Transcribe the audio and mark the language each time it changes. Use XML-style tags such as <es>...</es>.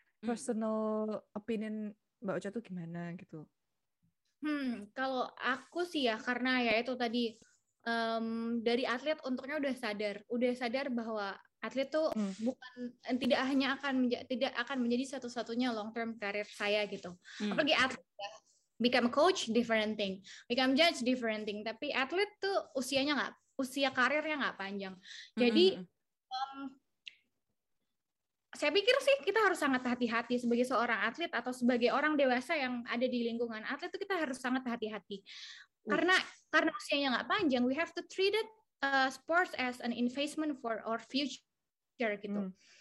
<en>Personal opinion</en> <id>Mbak Ocha tuh gimana gitu? Kalau aku sih ya, karena ya itu tadi, dari atlet untungnya udah sadar bahwa atlet tuh bukan, tidak akan menjadi satu-satunya long-term karir saya gitu. Apalagi atlet ya,</id> <en>become a coach, different thing. Become judge, different thing.</en> <id>Tapi atlet tuh usia karirnya gak panjang. Jadi, saya pikir sih kita harus sangat hati-hati sebagai seorang atlet atau sebagai orang dewasa yang ada di lingkungan atlet, itu kita harus sangat hati-hati. Karena usianya nggak panjang,</id> <en>we have to treat it sports as an investment for our future gitu.</en>